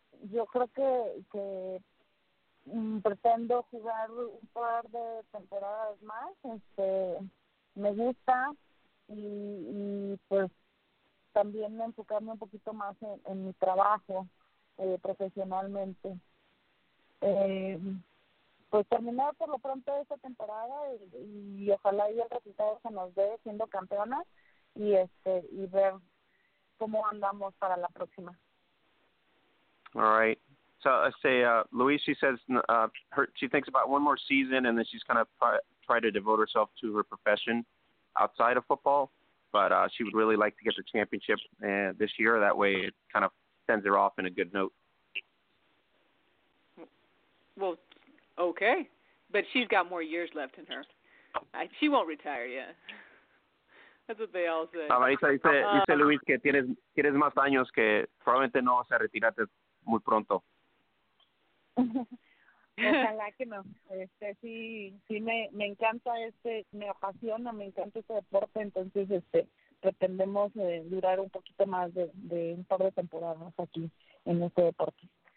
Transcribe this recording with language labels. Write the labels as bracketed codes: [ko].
[es] Yo creo que pretendo jugar un par de temporadas más, me gusta y pues también enfocarme un poquito más en mi trabajo profesionalmente. Pues terminar por lo pronto esta temporada y ojalá y el resultado se nos dé siendo campeona y ver [en] all right. So I say, Luis, she says she thinks about one more season and then she's kind of try to devote herself to her profession outside of football. But she would really like to get the championship this year. That way it kind of sends her off in a good note. Well, okay. But she's got more years left in her. She won't retire yet. That's what they all say. [es] Marisa dice Luis que tienes más años que probablemente no vas a retirarte muy pronto. Ojalá que no. Me encanta me apasiona, me encanta este deporte, entonces pretendemos durar un poquito más de un par de temporadas aquí en este deporte.